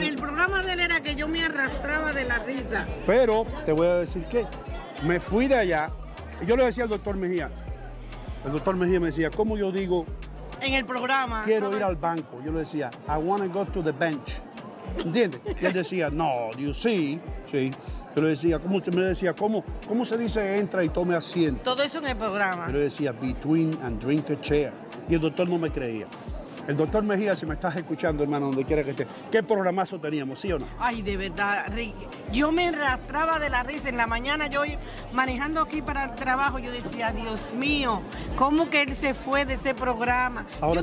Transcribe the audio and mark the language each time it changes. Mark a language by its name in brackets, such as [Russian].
[Spanish] El programa de él era que yo me arrastraba de la risa. Pero te voy a decir que me fui de allá. Y yo le decía al doctor Mejía. El doctor Mejía me decía, ¿cómo yo digo? En el programa. Quiero ir al banco. Yo le decía, [English] I want to go to the bench. [Spanish] ¿Entiendes? Y él decía, no, you see, sí. Yo le decía, ¿cómo usted me decía? ¿Cómo se dice entra y tome asiento? Todo eso en el programa. Yo le decía, [English] between and drink a chair. [Spanish] Y el doctor no me creía. El doctor Mejía, si me estás escuchando, hermano, donde quiera que esté, ¿qué programazo teníamos, sí o no? Ay, de verdad, Rick. Yo me arrastraba de la risa. En la mañana yo manejando aquí para el trabajo, yo decía, Dios mío, ¿cómo que él se fue de ese programa? Ahora